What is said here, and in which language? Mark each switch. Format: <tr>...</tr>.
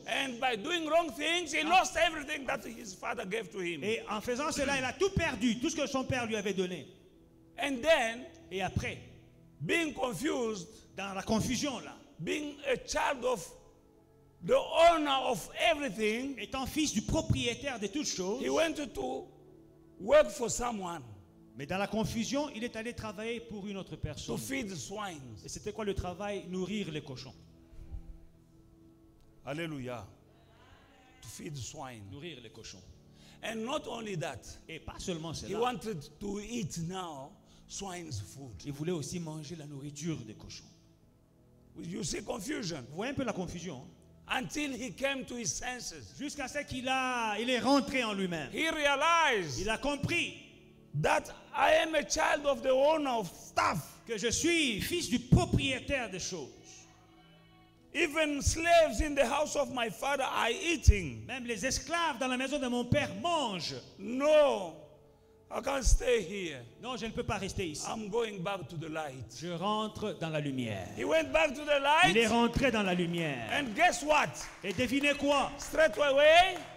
<en>And by doing wrong things, he lost everything that his father gave to him.</en> <fr>Et en faisant cela, il a tout perdu, tout ce que son père lui avait donné.</fr> <en>And then,</en> <fr>et après,</fr> <en>being confused,</en> <fr>dans la confusion là,</fr> <en>being a child of the owner of everything,</en> <fr>étant fils du propriétaire de toutes choses,</fr> <en>he went to work for someone.</en> <fr>Mais dans la confusion, il est allé travailler pour une autre personne.</fr> <en>To feed the swine.</en> <fr>Et c'était quoi le travail? Nourrir les cochons.</fr> <en>Alléluia. To feed the swine.</en> <fr>Nourrir les cochons.</fr> <en>And not only that.</en> <fr>Et pas seulement cela.</fr> <en>He wanted to eat now swine's food.</en> <fr>Il voulait aussi manger la nourriture des cochons.</fr> <en>You see confusion.</en> <fr>Vous voyez un peu la confusion.</fr> <en>Until he came to his senses.</en> <fr>Jusqu'à ce qu'il a, il est rentré en lui-même.</fr> <en>He realized.</en> <fr>Il a compris.</fr> <en>That I am a child of the owner of stuff.</en> <fr>Que je suis fils du propriétaire des choses.</fr> <en>Even slaves in the house of my father are eating.</en> <fr>Même les esclaves dans la maison de mon père mangent.</fr> <en>No, I can't stay here.</en> <fr>Non, je ne peux pas rester ici.</fr> <en>I'm going back to the light.</en> <fr>Je rentre dans la lumière.</fr> <en>He went back to the light.</en> <fr>Il est rentré dans la lumière.</fr> <en>And guess what?</en> <fr>Et devinez quoi?</fr> <en>Straight away.</en>